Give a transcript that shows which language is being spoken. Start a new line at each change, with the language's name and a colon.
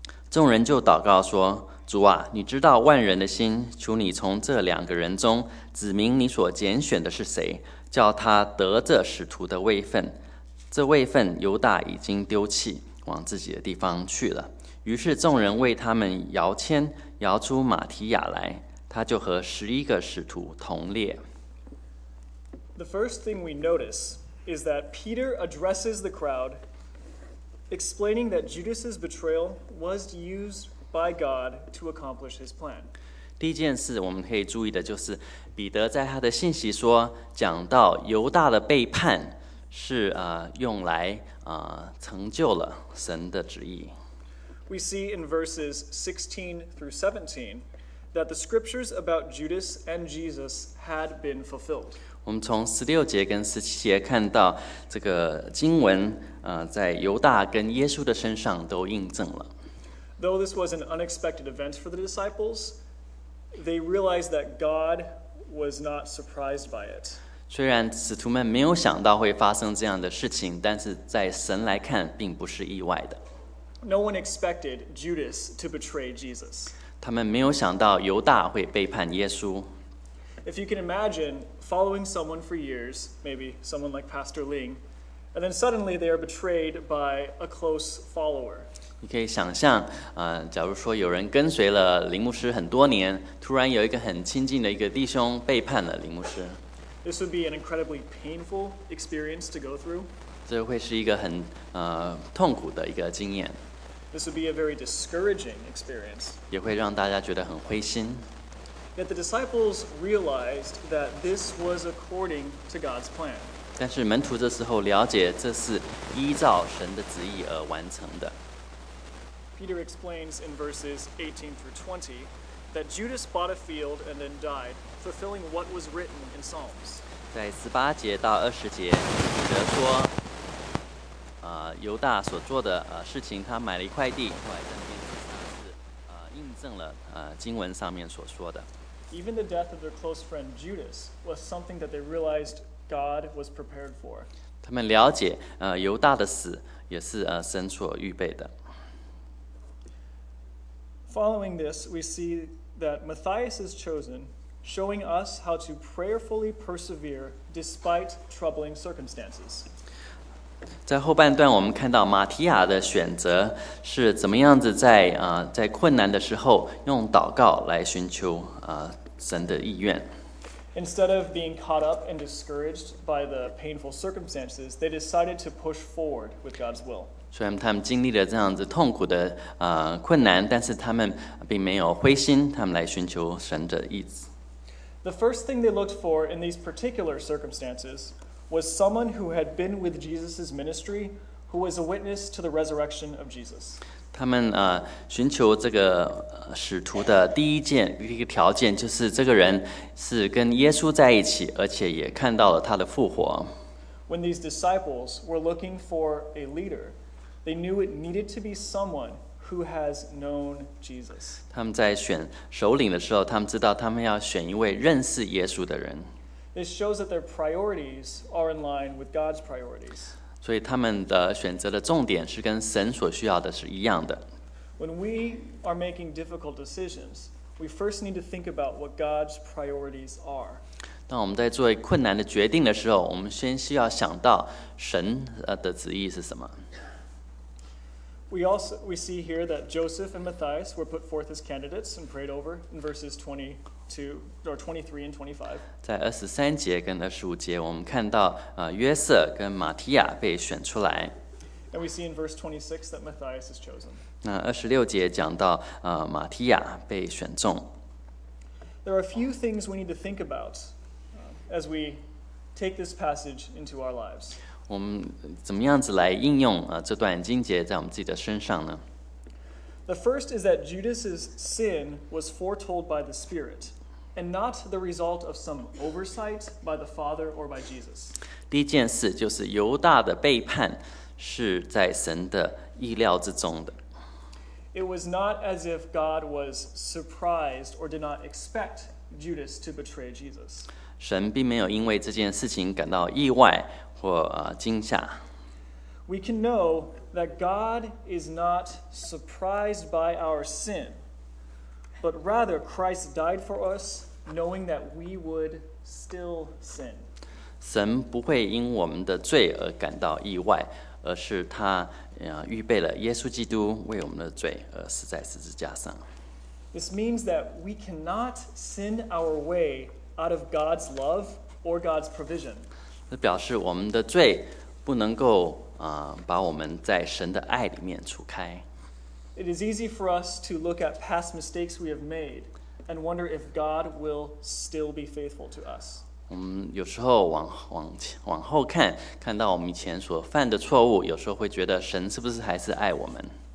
Chinese: 众人就祷告说，主啊，你知道万人的心，求你从这两个人中指明你所拣选的是谁，叫他得这使徒的位分。这位分犹大已经丢弃，往自己的地方去了。于是众人为他们摇签，摇出马提亚来，他就和十一个使徒同列。
English: The first thing we notice is that Peter addresses the crowd, explaining that Judas's betrayal was used by God to accomplish His plan.
Chinese: 第一件事我们可以注意的就是，彼得在他的信息说讲到犹大的背叛是用来成就了神的旨意。
English: We see in verses 16 through 17 that the scriptures about Judas and Jesus had been fulfilled.
Chinese: 我们从十六节跟十七节看到这个经文在犹大跟耶稣的身上都印证了。
English: Though this was an unexpected event for the disciples, they realized that God was not surprised by it.
Chinese: 虽然使徒们没有想到会发生这样的事情，但是在神来看并不是意外的。
English: No one expected Judas to betray Jesus.
Chinese: 他们没有想到犹大会背叛耶稣。
English: If you can imagine following someone for years, maybe someone like Pastor Ling, and then suddenly they are betrayed by a close follower.
Chinese: 你可以想象，假如说有人跟随了林牧师很多年，突然有一个很亲近的一个弟兄背叛了林牧师。
English: This would be an incredibly painful experience to go through.
Chinese: 这会是一个很痛苦的一个经验。
English: This would be a very discouraging experience.
Chinese: 也会让大家觉得很灰心。
English: Yet the disciples realized that this was according to God's plan.
Chinese: 但是门徒这时候了解这是依照神的旨意而完成的。
English: Peter explains in verses 18 through 20 that Judas bought a field and then died, fulfilling what was written in Psalms.
Chinese: 在十八节到二十节，彼得说，犹大所做的事情，他买了一块地，后来在那边自杀，是印证了经文上面所说的。
English: Even the death of their close friend Judas was something that they realized God was prepared for.
Chinese: 他们了解犹大的死也是神所预备的。
English: Following this, we see that Matthias is chosen, showing us how to prayerfully persevere despite troubling circumstances.
Chinese: 在后半段，我们看到马提亚的选择是怎么样子在在困难的时候用祷告来寻求神的意愿。
English: Instead of being caught up and discouraged by the painful circumstances, they decided to push forward with God's will.
Chinese: 虽然他们经历了这样子痛苦的困难，但是他们并没有灰心，他们来寻求神的意志。
English: The first thing they looked for in these particular circumstances was someone who had been with Jesus' ministry, who was a witness to the resurrection of Jesus.
Chinese: 他们寻求这个使徒的一个条件，就是这个人是跟耶稣在一起，而且也看到了他的复活。
English: When these disciples were looking for a leader,They knew it needed to be someone who has known Jesus.
Chinese: 他们在选首领的时候，他们知道他们要选一位认识耶稣的人。
English: This shows that their priorities are in line with God's priorities.
Chinese: 所以他们的选择的重点是跟神所需要的是一样的。
English: When we are making difficult decisions, we first need to think about what God's priorities are.
Chinese: 当我们在做困难的决定的时候，我们先需要想到神的旨意是什么。
English: We see here that Joseph and Matthias were put forth as candidates and prayed over in verses 23 and 25.
Chinese: 在23节跟25节，我们看到约瑟跟马提亚被选出来。
English: And we see in verse 26 that Matthias is chosen.
Chinese: 那26节讲到马提亚被选中。
English: There are a few things we need to think about as we take this passage into our lives.
Chinese: 我们怎么样子来应用这段经节在我们自己的身上呢？
English: The first is that Judas's sin was foretold by the Spirit, and not the result of some oversight by the Father or by Jesus.
Chinese: 第一件事就是犹大的背叛是在神的意料之中的。
English: It was not as if God was surprised or did not expect Judas to betray Jesus.
Chinese: 神并没有因为这件事情感到意外。或惊吓。
English: We can know that God is not surprised by our sin, but rather Christ died for us, knowing that we would still sin.
Chinese: 神不会因我们的罪而感到意外，而是他预备了耶稣基督为我们的罪而死在十字架上。
English: This means that we cannot sin our way out of God's love or God's provision.
Chinese: 这表示我们的罪不能够把我们在神的爱里面除开。
English: It is easy for us to look at past mistakes we have made and wonder if God will still be faithful to us.
Chinese: 我们有时候往后看，看到我们以前所犯的错误，有时候会觉得神是不是还是爱我们。